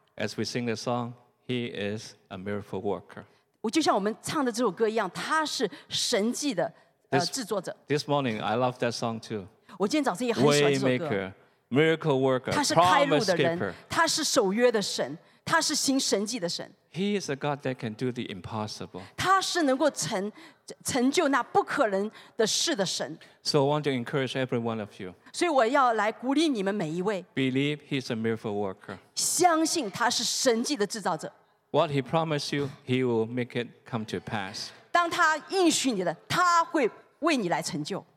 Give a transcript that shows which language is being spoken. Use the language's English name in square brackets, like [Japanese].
[English] As we sing the song, He is a miracle worker. [Chinese] 就像我们唱的这首歌一样，他是神迹的制作者。 [English] This morning, I love that song too. [Chinese] 我今天早上也很喜欢这首歌。 [English] Waymaker, miracle worker, promise keeper. [Chinese] 他是守约的神，他是行神迹的神。 [English] He is a God that can do the impossible. [Chinese] 他是能够成就那不可能的事的神。 [English] So I want to encourage every one of you. [Chinese] 所以我要来鼓励你们每一位。 [English] Believe He is a miracle worker. [Chinese] 相信他是神迹的制造者。 [English] What He promised you, He will make it come to pass. [Chinese] 当他应许你的，他会为你来成就。